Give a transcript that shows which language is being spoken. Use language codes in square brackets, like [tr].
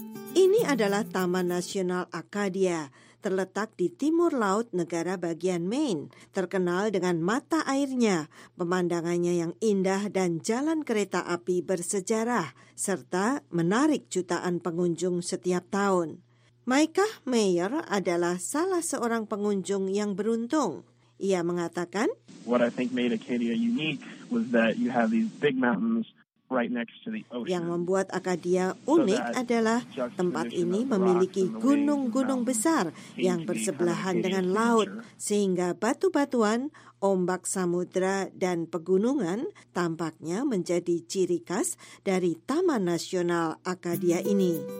[id] Ini adalah Taman Nasional Acadia, terletak di timur laut negara bagian Maine, terkenal dengan mata airnya, pemandangannya yang indah dan jalan kereta api bersejarah, serta menarik jutaan pengunjung setiap tahun. Micah Mayer adalah salah seorang pengunjung yang beruntung. Ia mengatakan, [en] "What I think made Acadia unique was that you have these big mountains." [id] Yang membuat Acadia unik adalah tempat ini memiliki gunung-gunung besar yang bersebelahan dengan laut, sehingga batu-batuan, ombak samudra, dan pegunungan tampaknya menjadi ciri khas dari Taman Nasional Acadia ini.